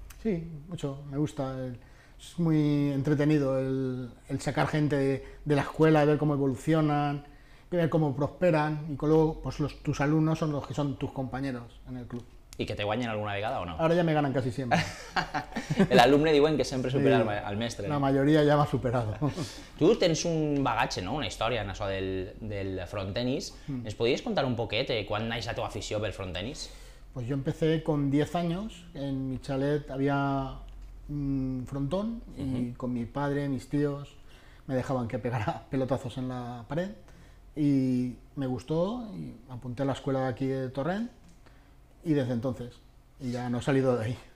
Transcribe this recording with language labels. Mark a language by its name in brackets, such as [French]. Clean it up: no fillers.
[Spanish] Sí, mucho, me gusta, es muy entretenido el sacar gente de la escuela, ver cómo evolucionan, ver cómo prosperan y luego pues tus alumnos son los que son tus compañeros en el club. [Catalan] ¿Y que te guanyen alguna vegada o no? [Spanish] Ahora ya me ganan casi siempre. [Catalan] El alumne diuen que sempre supera al mestre. [Spanish] La mayoría ya m'ha superado. [Catalan] Tu tens un bagatge, no? Una història en això del frontenis. ¿Ens podries contar un poquet quan naix la teva afició pel frontenis? [Spanish] Pues yo empecé con 10 años. En mi chalet había un frontón y con mi padre, mis tíos, me dejaban que pegara pelotazos en la pared. Y me gustó y apunté a la escuela de aquí de Torrent. Y desde entonces, y ya no he salido de ahí.